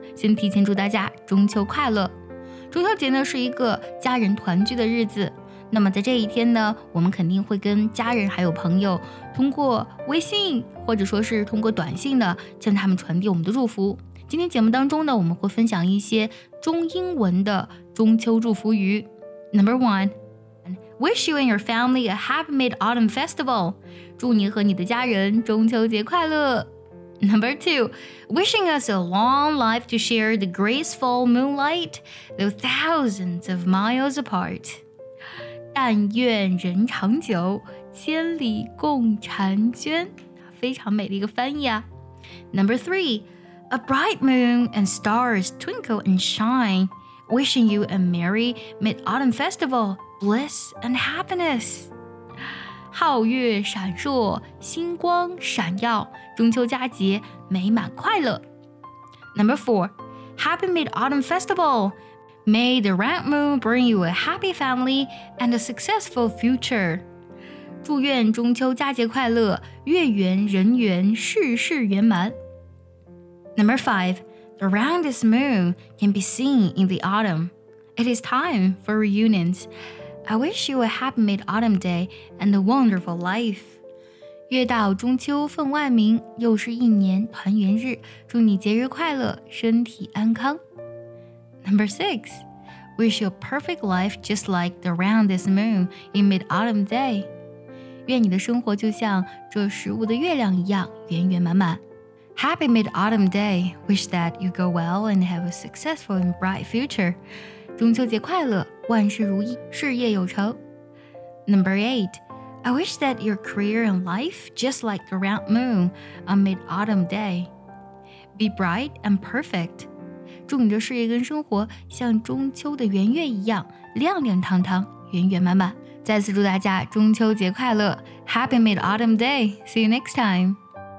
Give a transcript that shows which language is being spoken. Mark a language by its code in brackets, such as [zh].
[zh] 先提前祝大家中秋快乐。中秋节呢是一个家人团聚的日子，那么在这一天呢，我们肯定会跟家人还有朋友通过微信或者说是通过短信的向他们传递我们的祝福。今天节目当中呢，我们会分享一些中英文的中秋祝福语。 [en] Number one, wish you and your family a happy mid-autumn festival. [zh] 祝你和你的家人中秋节快乐。 [en] Number two, wishing us a long life to share the graceful moonlight, though thousands of miles apart. [zh] 但愿人长久，千里共婵娟。非常美的一个翻译啊。 [en] Number three,A bright moon and stars twinkle and shine, wishing you a merry mid-autumn festival, bliss and happiness. [zh] 皓月闪烁，星光闪耀，中秋佳节美满快乐。 [en] Number four, happy mid-autumn festival. May the red moon bring you a happy family and a successful future. [zh] 祝愿中秋佳节快乐，月圆人圆，事事圆满。 [en] Number five, the roundest moon can be seen in the autumn. It is time for reunions. I wish you a happy mid-autumn day and a wonderful life. [zh] 月到中秋分外明，又是一年团圆日，祝你节日快乐，身体安康。 [en] Number six, wish you a perfect life just like the roundest moon in mid-autumn day. [zh] 愿你的生活就像这十五的月亮一样，圆圆满满。 [en] Happy Mid-Autumn Day. Wish that you go well and have a successful and bright future. [zh] 中秋节快乐，万事如意，事业有成。 [en] Number 8. I wish that your career and life just like the round moon on Mid-Autumn Day. Be bright and perfect. [zh] 祝你的事业跟生活像中秋的圆月一样，亮亮堂堂，圆圆满满。再次祝大家中秋节快乐。 [en] Happy Mid-Autumn Day. See you next time.